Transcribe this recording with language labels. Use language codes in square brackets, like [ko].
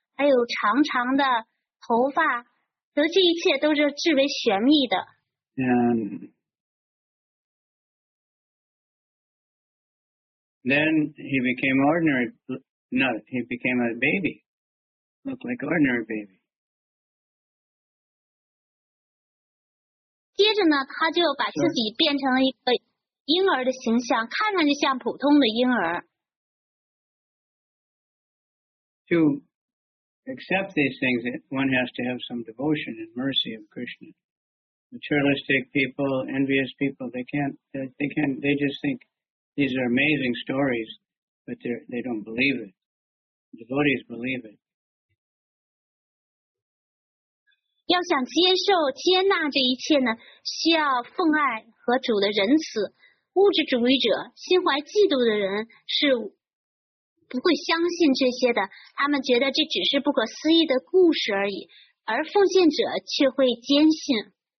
[zh] 还有长长的头发，这一切都是至为玄秘的。 [en] And then he became ordinary, no, he became a baby, looked like an ordinary baby. [zh] 接着呢，他就把自己变成了一个婴儿的形象，看上去像普通的婴儿。 [en] To accept these things, one has to have some devotion and mercy of Krishna. materialistic people, envious people, they just think these are amazing stories, but they don't believe it. Devotees believe it. [zh] 要想接受接纳这一切呢，需要奉爱和主的仁慈。物质主义者、心怀嫉妒的人是不会相信这些的，他们觉得这只是不可思议的故事而已，而奉献者却会坚信。